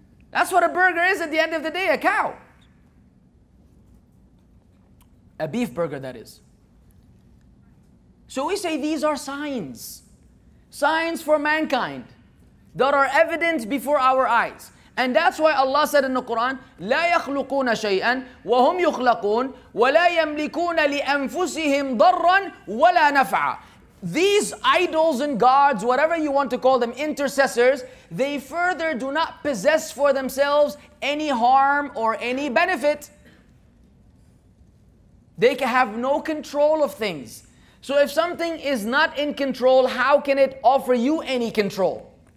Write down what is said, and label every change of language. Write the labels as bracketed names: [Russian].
[English] That's what a burger is at the end of the day, a cow. A beef burger, that is. So we say these are signs. Signs for mankind that are evident before our eyes. And that's why Allah said in the Quran, [Arabic] لا يخلقون شيئا وهم يخلقون ولا يملكون لأنفسهم ضرا ولا نفعا. [English] These idols and gods, whatever you want to call them, intercessors, they further do not possess for themselves any harm or any benefit. They can have no control of things. So if something is not in control, how can it offer you any control?